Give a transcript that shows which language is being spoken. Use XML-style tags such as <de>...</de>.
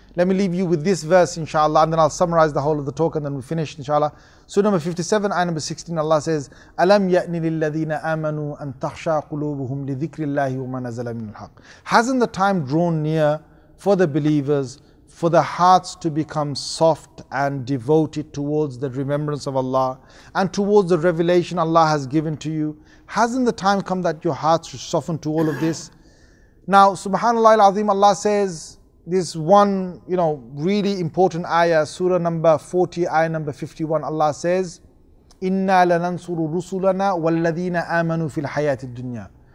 <en>Let me leave you with this verse, inshallah, and then I'll summarize the whole of the talk and then we'll finish, inshallah. Surah number 57, ayah number 16, Allah says,</en> <ar>أَلَمْ يَأْنِ لِلَّذِينَ آمَنُوا أَن تَخْشَى قُلُوبُهُمْ لِذِكْرِ اللَّهِ وَمَا نَزَلَ مِنُ الْحَقِّ.</ar> <en>Hasn't the time drawn near for the believers, for the hearts to become soft and devoted towards the remembrance of Allah and towards the revelation Allah has given to you? Hasn't the time come that your hearts should soften to all of this? Now, subhanAllah al-Azim, Allah says this one, you know, really important ayah, surah number 40, ayah number 51, Allah says,</en> <ar>إِنَّا لَنَنْصُرُ رُسُلَنَا وَالَّذِينَ آمَنُوا فِي الْحَيَاةِ الدُّنْيَا.</ar>